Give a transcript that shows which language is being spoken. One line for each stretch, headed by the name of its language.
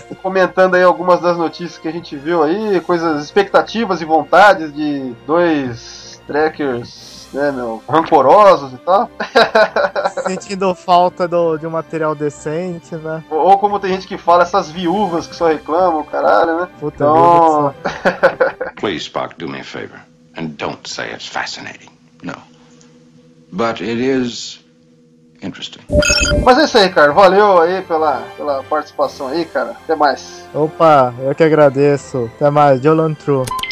Portuguese: Comentando aí algumas das notícias que a gente viu aí, coisas, expectativas e vontades de dois trackers, né, meu, rancorosos e tal. Sentindo falta de um material decente, né? Ou como tem gente que fala, essas viúvas que só reclamam, caralho, né? Puta então...
English: Please, Spock, do me a favor. And don't say it's fascinating. No. But it is interesting.
Portuguese: Mas é isso aí, cara. Valeu aí pela participação aí, cara. Até mais. Opa, eu que agradeço. Até mais. Jolantru.